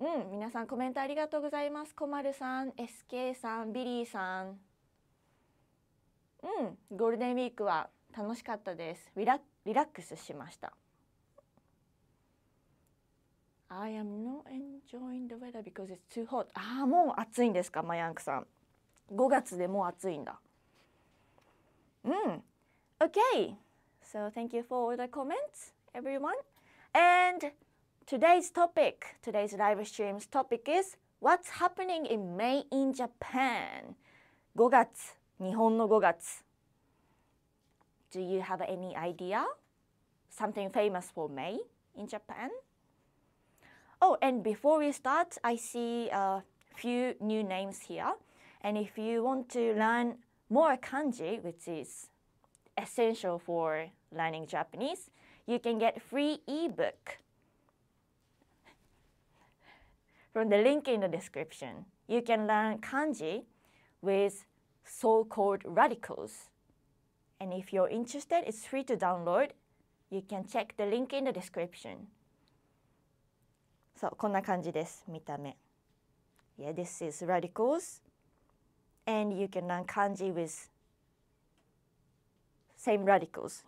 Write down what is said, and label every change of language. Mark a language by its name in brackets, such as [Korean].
[Japanese] みなさん、コメントありがとうございます。コマルさん、SK さん、ビリーさん。ゴールデンウィークは楽しかったです。リラックスしました。 [English] I am not enjoying the weather because it's too hot. [Japanese] ああ、もう暑いんですか、マヤンクさん。 5月でもう暑いんだ。Okay. [English] So thank you for all the comments, everyone. And today's live stream's topic is What's happening in May in Japan? [Japanese] 5月、日本の5月。 [English] Do you have any idea? Something famous for May in Japan? Oh, and before we start, I see a few new names here. And if you want to learn more kanji, which is essential for learning Japanese, you can get free ebook from the link in the description. You can learn kanji with so-called radicals.And if you're interested, it's free to download. You can check the link in the description. [Japanese] So, こんな感じです、見た目。 [English] Yeah, this is radicals. And you can learn kanji with same radicals.